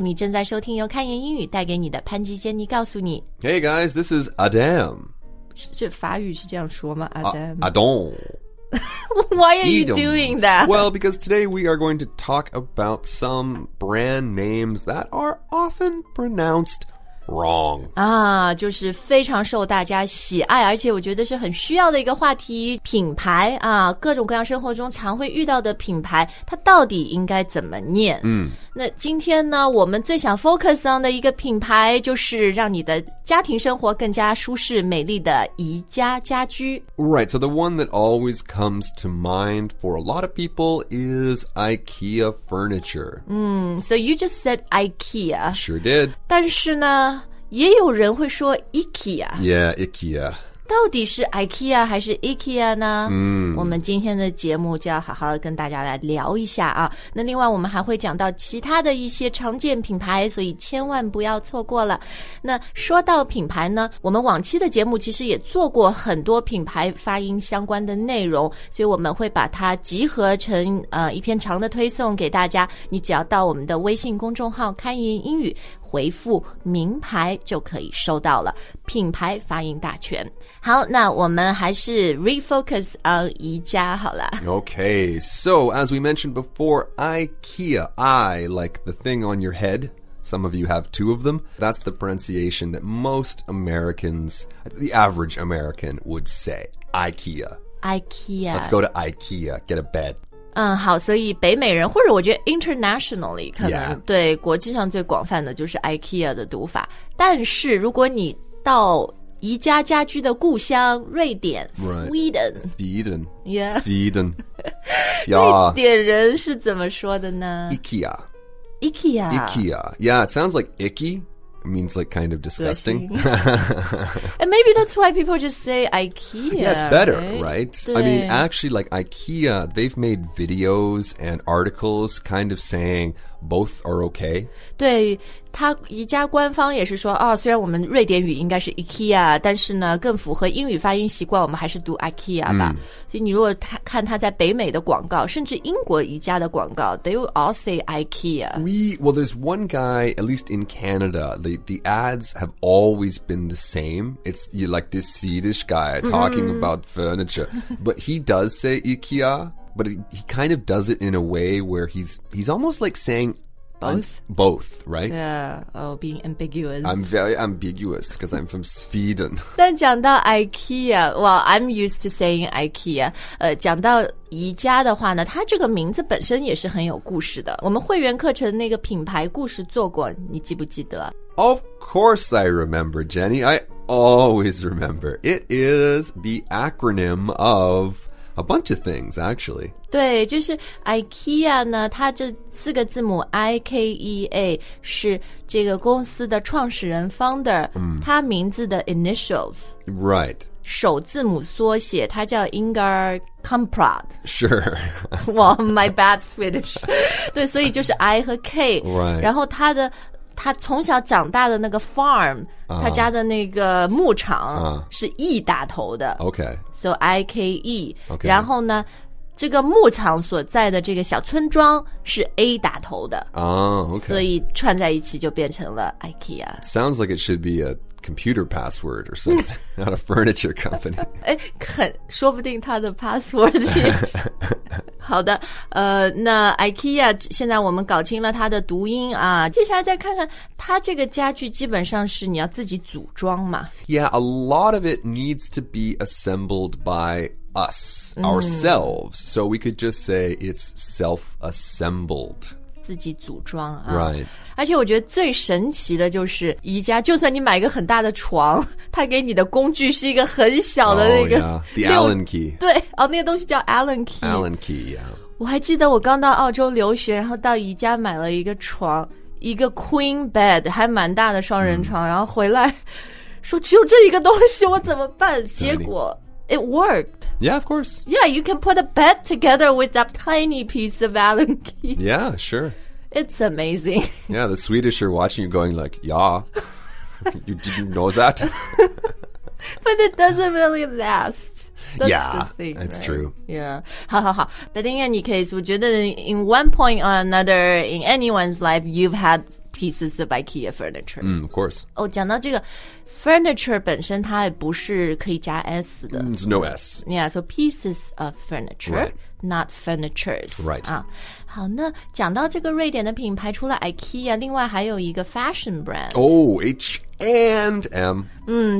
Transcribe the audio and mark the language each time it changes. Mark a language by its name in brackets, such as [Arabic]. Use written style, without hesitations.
[Chinese] 你正在收听由看言英语带给你的潘吉 Jenny 告诉你。 [English] Hey guys, this is Adam. [Chinese] 这法语是这样说吗 ？Adam. [English] Adam. Why are you doing that? Well, because today we are going to talk about some brand names that are often pronounced wrong. [Chinese] 啊，就是非常受大家喜爱，而且我觉得是很需要的一个话题。品牌啊，各种各样生活中常会遇到的品牌，它到底应该怎么念？那今天呢，我们最想 [English] focus on [Chinese] 的一个品牌，就是让你的家庭生活更加舒适美丽的宜家家居。 [English] Right, so the one that always comes to mind for a lot of people is IKEA furniture. So you just said IKEA. Sure did. [Chinese] 但是呢，也有人会说 IKEA. [English] Yeah, IKEA. [Chinese] 到底是 IKEA 还是 IKEA 呢？我们今天的节目就要好好的跟大家来聊一下啊。那另外我们还会讲到其他的一些常见品牌，所以千万不要错过了。那说到品牌呢，我们往期的节目其实也做过很多品牌发音相关的内容，所以我们会把它集合成一篇长的推送给大家。你只要到我们的微信公众号看言英语回复名牌就可以收到了品牌发音大全。好，那我们还是 [English] refocus on [Chinese] 宜家好了。 [English] Okay, so as we mentioned before, IKEA, I like the thing on your head. Some of you have two of them. That's the pronunciation that most Americans, the average American would say, IKEA. IKEA. Let's go to IKEA, get a bed. [Chinese] 好，所以北美人或者我觉得 [English] internationally [Chinese] 可能对国际上最广泛的就是 IKEA 的读法。但是如果你到宜家家居的故乡瑞典 Sweden, [English] Sweden, yeah. Sweden, [Chinese] yeah. 瑞典人是怎么说的呢 [English] IKEA, IKEA, IKEA, yeah, it sounds like icky. It means like kind of disgusting. And maybe that's why people just say IKEA. Yeah, it's better, right? I mean, actually, like IKEA, they've made videos and articles kind of saying both are okay. [Chinese] 对，他宜家官方也是说，哦，虽然我们瑞典语应该是 IKEA, 但是呢，更符合英语发音习惯，我们还是读 IKEA 吧。所以你如果看他在北美的广告，甚至英国宜家的广告 ， [English] they all say IKEA. Well, there's one guy, at least in Canada, the ads have always been the same. It's like this Swedish guy talking about furniture, but he does say IKEA. But he kind of does it in a way where he's almost like saying both, both, right? Yeah. Oh, being ambiguous. I'm very ambiguous because I'm from Sweden. [Chinese] 但讲到 [English] IKEA, well, I'm used to saying IKEA. [Chinese] 讲到宜家的话呢，它这个名字本身也是很有故事的。我们会员课程那个品牌故事做过，你记不记得？ [English] Of course I remember, Jenny. I always remember. It is the acronym of... A bunch of things, actually. [Chinese] 对，就是 IKEA 呢，它这四个字母 IKEA 是这个公司的创始人 founder， 他名字的 initials. [English] Right. [Chinese] 首字母缩写，他叫 Ingvar Kamprad. [English] Sure. Well, my bad Swedish. [Chinese] 对，所以就是 I 和 K. [English] Right. [Chinese] 然后他的他从小长大的那个 farm,他家的那个牧场是 E 打头的。 [English] Okay. So IKE. Okay. [Chinese] 然后呢，这个牧场所在的这个小村庄是 A 打头的。 [English] Okay. [Chinese] 所以串在一起就变成了 IKEA. [English] Sounds like it should be a computer password or something, not a furniture company. [Chinese] 哎，肯，说不定他的 password 也是。好的，那 IKEA 现在我们搞清了它的读音啊，接下来再看看它这个家具基本上是你要自己组装嘛。 [English] Yeah, a lot of it needs to be assembled by us, ourselves. So we could just say it's self-assembled. [Chinese] 自己组装啊。 [English] Right. [Chinese] 而且我觉得最神奇的就是宜家，就算你买一个很大的床，它给你的工具是一个很小的那个。 [English] Oh, yeah. The Allen key. [Chinese] 对。哦，那个东西叫 Allen key. [English] Allen key, yeah. [Chinese] 我还记得我刚到澳洲留学，然后到宜家买了一个床，一个 queen bed, 还蛮大的双人床，然后回来说只有这一个东西，我怎么办？结果 [English] it worked. Yeah, of course. Yeah, you can put a bed together with that tiny piece of Allen key. Yeah, sure. It's amazing. Yeah, the Swedish are watching you going like, yeah, you didn't know that? But it doesn't really last. That's true. Yeah. [Chinese] 好好好 [English] But in any case, [Chinese] 我觉得 [English] in one point or another, in anyone's life, you've had pieces of IKEA furniture. Mm, of course. [Chinese] Oh, 讲到这个 furniture 本身它不是可以加 S 的。 [English] It's no S. Yeah, so pieces of furniture,、 right. not furnitures. Right.、 [Chinese] 好那讲到这个瑞典的品牌除了 IKEA, 另外还有一个 fashion brand. [English] Oh, H&M.